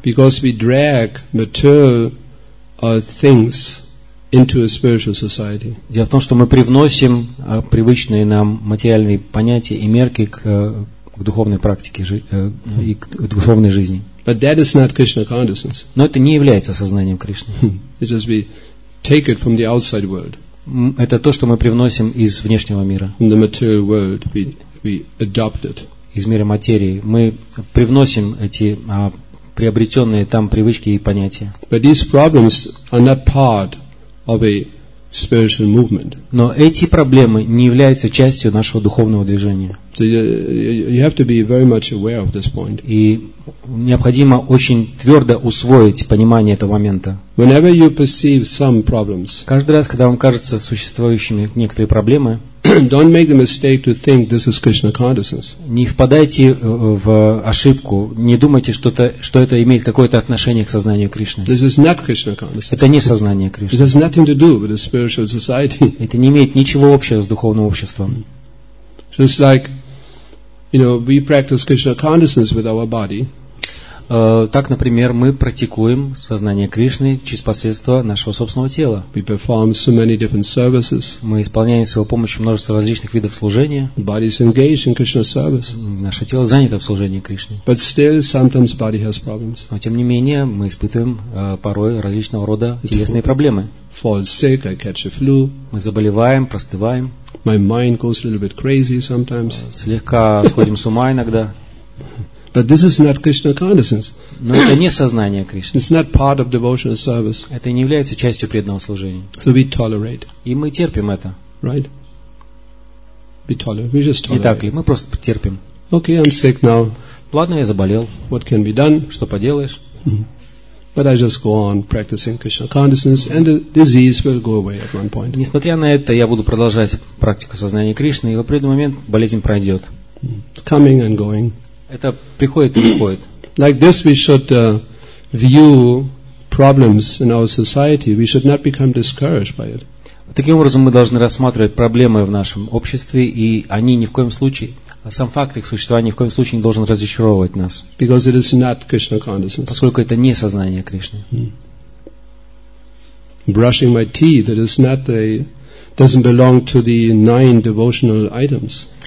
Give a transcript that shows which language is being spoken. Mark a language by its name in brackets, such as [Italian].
[English] Because we drag material things into a spiritual society. [Russian] Дело в том, что мы привносим привычные нам материальные понятия и мерки к духовной практике и к духовной жизни. [English] But that is not Krishna consciousness. [Russian] Но это не является сознанием Кришны. [English] It's just we take it from the outside world. [Russian] Это то, что мы привносим из внешнего мира. [English] From the material world, we adopt it. [Russian] Из мира материи мы привносим эти приобретенные там привычки и понятия. [English] But these problems are not part of a spiritual movement. [Russian] Но эти проблемы не являются частью нашего духовного движения. [English] So you have to be very much aware of this point. [Russian] И необходимо очень твердо усвоить понимание этого момента. [English] Whenever you perceive some problems, [Russian] каждый раз, когда вам кажется существующими некоторые проблемы, [English] don't make the mistake to think this is Krishna consciousness. [Russian] Не впадайте в ошибку, не думайте, что это имеет какое-то отношение к сознанию Кришны. [English] This is not Krishna consciousness. [Russian] Это не сознание Кришны. [English] It has nothing to do with the spiritual society. [Russian] Это не имеет ничего общего с духовным обществом. [English] Just like, you know, we practice Krishna consciousness with our body. [Russian] Так, например, мы практикуем сознание Кришны через посредство нашего собственного тела. [English] We perform so many different services. [Russian] Мы исполняем с его помощью множество различных видов служения. [English] Body is engaged in Krishna service. [Russian] Наше тело занято в служении Кришне. [English] But still, sometimes body has problems. [Russian] Но тем не менее, мы испытываем порой различного рода телесные проблемы. [English] Fall sick, I catch a flu. [Russian] Мы заболеваем, простываем. [English] My mind goes a little bit crazy sometimes. [Russian] Слегка сходим с ума иногда. [English] But this is not Krishna consciousness. [Russian] Но это не сознание Кришны. [English] It's not part of devotional service. [Russian] Это не является частью преданного служения. [English] So we tolerate. [Russian] И мы терпим это. [English] Right? We tolerate. We just tolerate. [Russian] Не так ли? Мы просто терпим. [English] Okay, I'm sick now. [Russian] Ладно, я заболел. [English] What can be done? [Russian] Что поделаешь? [English] But I just go on practicing Krishna consciousness, and the disease will go away at one point. [Russian] Несмотря на это, я буду продолжать практику сознания Кришны, и в определенный момент болезнь пройдет. [English] Coming and going. [Russian] Это приходит и уходит. [English] Like this, we should view problems in our society. We should not become discouraged by it. [Russian] Таким образом, мы должны рассматривать проблемы в нашем обществе, и они ни в коем случае, сам факт их существования ни в коем случае не должен разочаровывать нас. [English] Because it is not Krishna consciousness. [Russian] Поскольку это не сознание Кришны. [English] Brushing my teeth, it is not a, doesn't belong to the nine devotional items.